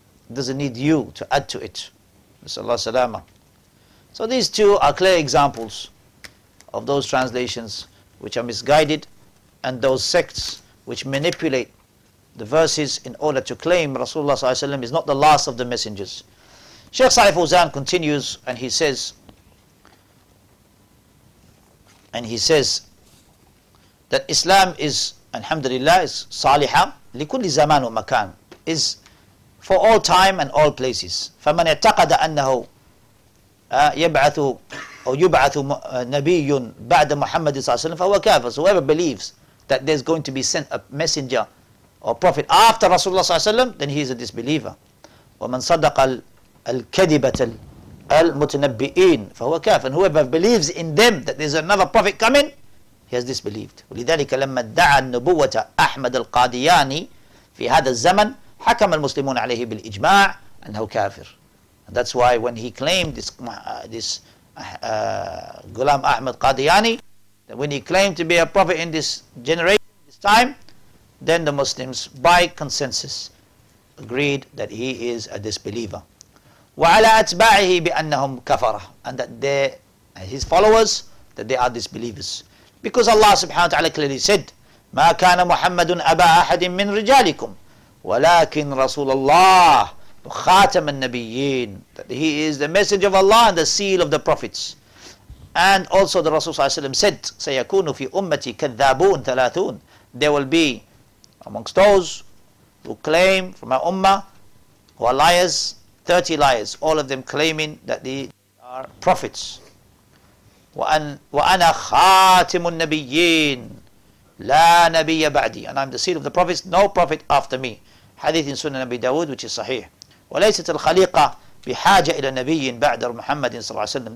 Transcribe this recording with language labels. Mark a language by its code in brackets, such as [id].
[en] It doesn't need you to add to it. Sallallahu alayhi wa sallam. So these two are clear examples of those translations which are misguided and those sects which manipulate the verses in order to claim Rasulullah ﷺ is not the last of the messengers. Sheikh Saif Uzan continues and he says that Islam is, alhamdulillah, is [ar] saliha likulli zaman wa makan, [en] is for all time and all places. [ar] فَمَنْ اَعْتَقَدَ أَنَّهُ يبعث أو يبعث نبي بعد محمد صلى الله عليه وسلم فهو كافر. [en] So whoever believes that there's going to be sent a messenger or prophet after Rasulullah صلى الله عليه وسلم, then he is a disbeliever. [ar] ومن صدق الكذبة المتنبئين فهو كافر. [en] And whoever believes in them that there's another prophet coming, he has disbelieved. [ar] ولذلك لما دعا النبوة أحمد القادياني في هذا الزمن حكم المسلمون عليه بالإجماع أنه كافر. [en] And that's why when he claimed this Ghulam Ahmad Qadiyani, that when he claimed to be a prophet in this generation, this time, then the Muslims, by consensus, agreed that he is a disbeliever. [ar] وَعَلَىٰ أَتْبَاعِهِ بِأَنَّهُمْ كَفَرَ. [en] And that they, his followers, that they are disbelievers. Because Allah subhanahu wa ta'ala clearly said, [ar] مَا كَانَ مُحَمَّدٌ أَبَا أَحَدٍ مِّن رِجَالِكُمْ وَلَكِنْ رَسُولَ اللَّهِ خَاتَمَ النَّبِيِّينَ. [en] That he is the messenger of Allah and the seal of the prophets. And also the Rasul sallallahu alayhi wa sallam said, [ar] سَيَكُونُ فِي أُمَّتِي كَذَّابُونَ ثَلَاثُونَ. [en] There will be amongst those who claim from my ummah who are liars, 30 liars, all of them claiming that they are prophets. [ar] وَأَنَا خَاتِمُ النَّبِيِّينَ لَا نَبِيَّ بَعْدِي. [en] And I'm the seal of the prophets, no prophet after me. Hadith in Sunan Abi Dawood, which is sahih. [ar] وليست الخليقة بحاجة إلى نبي بعد محمد صلى الله عليه وسلم.